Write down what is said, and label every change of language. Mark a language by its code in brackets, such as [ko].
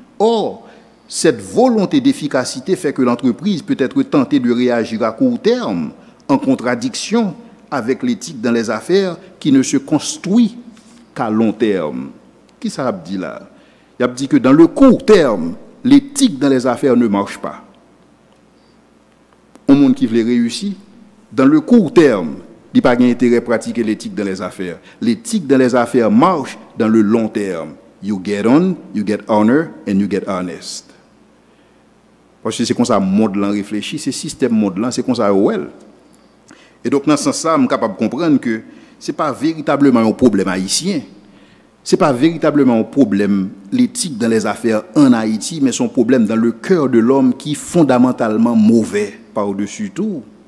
[fr] Or, cette volonté d'efficacité fait que l'entreprise peut être tentée de réagir à court terme en contradiction avec l'éthique dans les affaires qui ne se construit qu'à long terme. Qui ça a dit là? Il a dit que dans le court terme, l'éthique dans les affaires ne marche pas. Au monde qui veut réussir, dans le court terme, il n'y a pas d'intérêt à pratiquer l'éthique dans les affaires. L'éthique dans les affaires marche dans le long terme. [en] You get on, you get honor, and you get honest. [fr] Parce que c'est comme ça que le monde réfléchit, c'est le système modelant, c'est comme ça well. Et donc, dans ce sens-là, je suis capable de comprendre que ce n'est pas véritablement un problème haïtien. Ce n'est pas véritablement un problème l'éthique dans les affaires en Haïti, mais son problème dans le cœur de l'homme qui est fondamentalement mauvais. par-dessus tout.